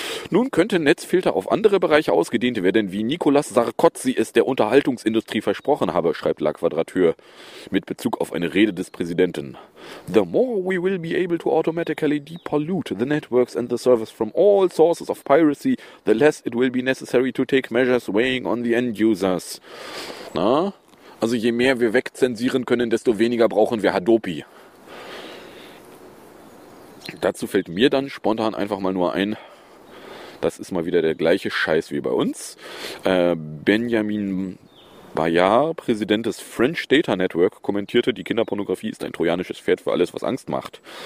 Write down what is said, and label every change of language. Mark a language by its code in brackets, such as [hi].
[de] Nun könnte Netzfilter auf andere Bereiche ausgedehnt werden, wie Nicolas Sarkozy es der Unterhaltungsindustrie versprochen habe, schreibt La Quadrature mit Bezug auf eine Rede des Präsidenten. [en] The more we will be able to automatically depollute the networks and the service from all sources of piracy, the less it will be necessary to take measures weighing on the end users. [de] Na? Also je mehr wir wegzensieren können, desto weniger brauchen wir Hadopi. Dazu fällt mir dann spontan einfach mal nur ein, das ist mal wieder der gleiche Scheiß wie bei uns. Benjamin Bayard, Präsident des French Data Network, kommentierte, die Kinderpornografie ist ein trojanisches Pferd für alles, was Angst macht.